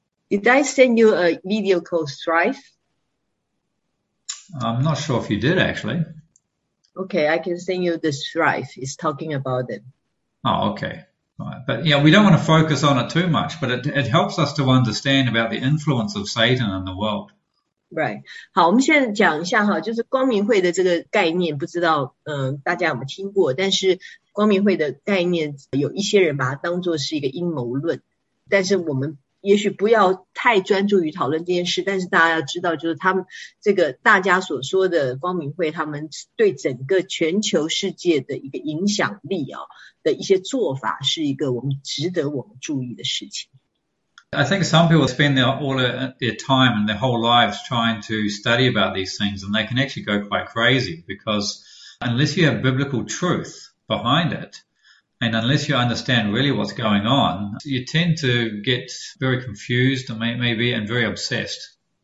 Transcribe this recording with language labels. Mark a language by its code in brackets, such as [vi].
[en] Did I send you a video called Strife? I'm not sure if you did actually. Okay, I can send you the Strife. It's talking about them. Oh, okay. Right. But we don't want to focus on it too much, but it helps us to understand about the influence of Satan in the world. [zh] Right，好，我们现在讲一下哈，就是光明会的这个概念，不知道大家有没有听过？但是光明会的概念，有一些人把它当做是一个阴谋论，但是我们也许不要太专注于讨论这件事。但是大家要知道，就是他们这个大家所说的光明会，他们对整个全球世界的一个影响力的一些做法，是一个我们值得我们注意的事情。 [en] I think some people spend all their time and their whole lives trying to study about these things, and they can actually go quite crazy because unless you have biblical truth behind it, and unless you understand really what's going on, you tend to get very confused and maybe and very obsessed.